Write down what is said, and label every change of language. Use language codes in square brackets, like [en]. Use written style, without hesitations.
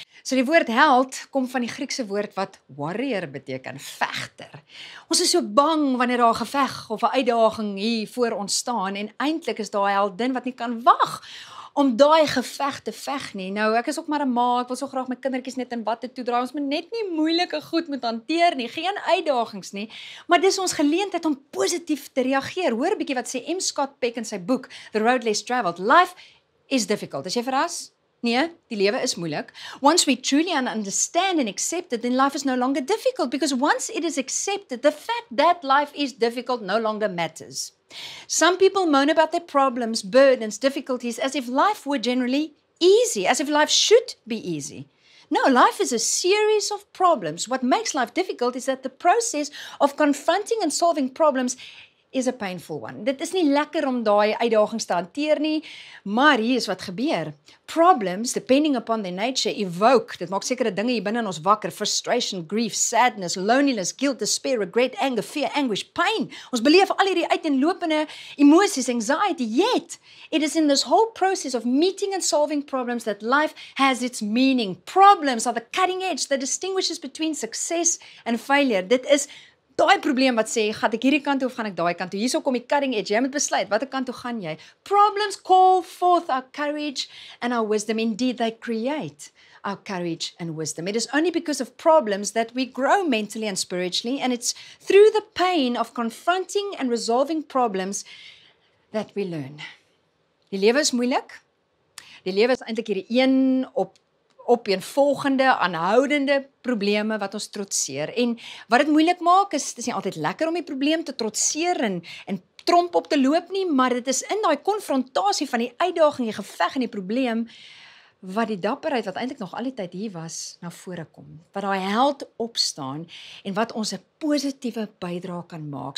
[af] So die woord held kom van die Griekse woord wat warrior beteken, vegter. Ons is so bang wanneer daar 'n geveg of 'n uitdaging hier voor ons staan en eintlik is daai heldin wat nie kan wag om daai geveg te veg nie. Nou, ek is ook maar 'n ma, ek wil so graag my kindertjies net in watte toedraai. Ons moet net nie moeilike goed moet hanteer nie, geen uitdagings nie. Maar dis ons geleentheid om positief te reageer. Hoor 'n bietjie wat sê M. Scott Peck in sy boek, The Road Less Traveled. [en] Life is difficult. [af] Is jy verras? Nee, die lewe is moeilik. [en] Once we truly understand and accept it, then life is no longer difficult. Because once it is accepted, the fact that life is difficult no longer matters. Some people moan about their problems, burdens, difficulties, as if life were generally easy, as if life should be easy. No, life is a series of problems. What makes life difficult is that the process of confronting and solving problems is a painful one. [af] Dit is nie lekker om daai uitdagings te hanteer nie, maar hier is wat gebeur. [en] Problems, depending upon their nature, evoke, [af] dit maak sekere dinge hier binnen ons wakker, [en] frustration, grief, sadness, loneliness, guilt, despair, regret, anger, fear, anguish, pain. [af] Ons beleef al hierdie uiteenlopende emoties, [en] anxiety, yet it is in this whole process of meeting and solving problems that life has its meaning. Problems are the cutting edge that distinguishes between success and failure. [af] Dit is daai probleem wat sê, gaat ek hierdie kant toe of gaan ek daai kant toe? Hierso kom die cutting edge, jy moet besluit, watter kant toe gaan jy? [en] Problems call forth our courage and our wisdom. Indeed, they create our courage and wisdom. It is only because of problems that we grow mentally and spiritually, and it's through the pain of confronting and resolving problems that we learn. [af] Die lewe is moeilik. Die lewe is eintlik hierdie een op een volgende, aanhoudende probleme wat ons trotseer. En wat het moeilik maak, is nie altyd lekker om die probleem te trotseer en tromp op te loop nie, maar dit is in die konfrontasie van die uitdaging, die geveg en die probleem, wat die dapperheid, wat eintlik nog al die tyd hier was, na vore kom. Wat die held opstaan en wat ons 'n positiewe bydrae kan maak.